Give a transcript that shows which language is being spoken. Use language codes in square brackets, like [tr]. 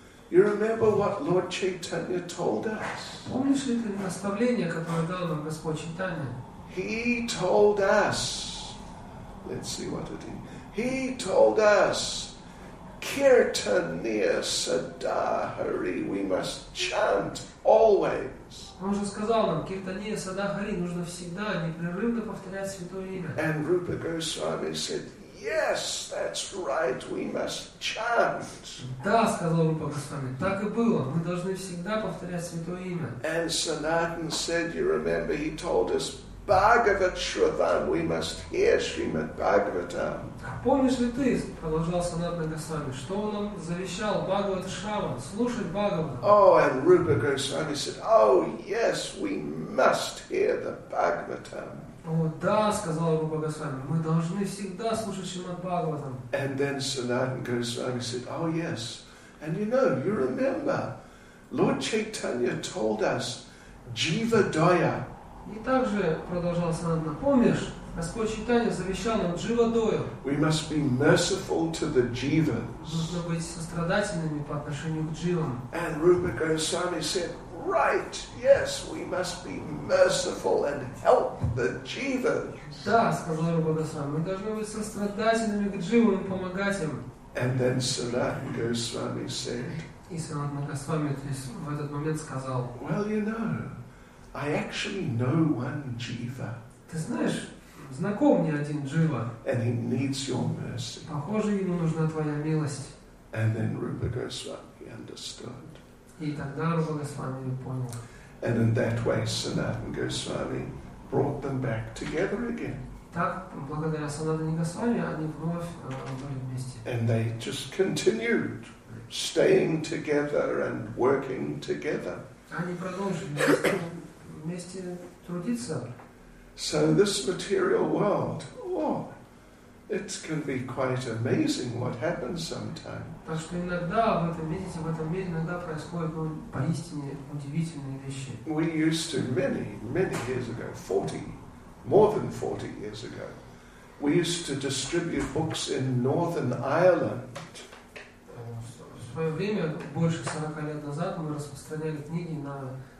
[en] You remember what Lord Chaitanya told us? [ru] Помнишь ли ты наставление, которое дал нам Господь Чайтанья? [en] He told us. Let's see what it is. He told us. Kirtaniya Sadahari, we must chant always. [ru] Он же сказал нам, Kirtaniya Sadahari, нужно всегда непрерывно повторять святое имя. [en] And Rupa Goswami said, yes, that's right, we must chant. [ru] Да, сказал Рупа Госвами, так и было, мы должны всегда повторять святое имя. [en] And Sanatana said, you remember, he told us, Bhagavatam, we must hear Srimad Bhagavatam. [ru] Помнишь ли ты, продолжал Санатана Госвами, что он нам завещал Бхагавата Шрава, слушать Бхагавата? [en] Oh, and Rupa Goswami said, oh, yes, we must hear the Bhagavatam. [ru] О, да, сказал Рупа Госвами, мы должны всегда слушать Шримад Бхагаватам. [en] And then Санатана Госвами said, oh, yes. And you know, you remember, Lord Chaitanya told us, Jiva Daya. [ru] И также продолжал Санатана, помнишь, Господь Читания завещал нам Дживадою. [en] We must be merciful to the jivas. [ru] Нужно быть сострадательными по отношению к дживам. [en] And Rupa Goswami said, right, yes, we must be merciful and help the jivas. [ru] Да, сказал Рупа Госвами, мы должны быть сострадательными к дживам и помогать им. [en] And then Sanatana Goswami said, [ru] и Санатана Госвами в этот момент сказал, [en] well, you know, I actually know one jiva. [ru] Ты знаешь, знаком мне один джива. [en] And he needs your mercy. [ru] Похоже, ему нужна твоя милость. [en] And then Rupa Goswami understood. [ru] И тогда Рупа Госвами понял. [en] And in that way, Sanatana Goswami brought them back together again. [ru] Так, благодаря Санатане Госвами, они вновь были вместе. [en] And they just continued staying together and working together. [ru] Они продолжили вместе трудиться. [en] So this material world, oh, it can be quite amazing what happens sometimes. [ru] Так что иногда в этом мире, иногда происходят поистине удивительные вещи. [en] We used to many years ago, 40, more than 40 years ago, we used to distribute books in Northern Ireland. [ru] В свое время больше 40 лет назад мы распространяли книги на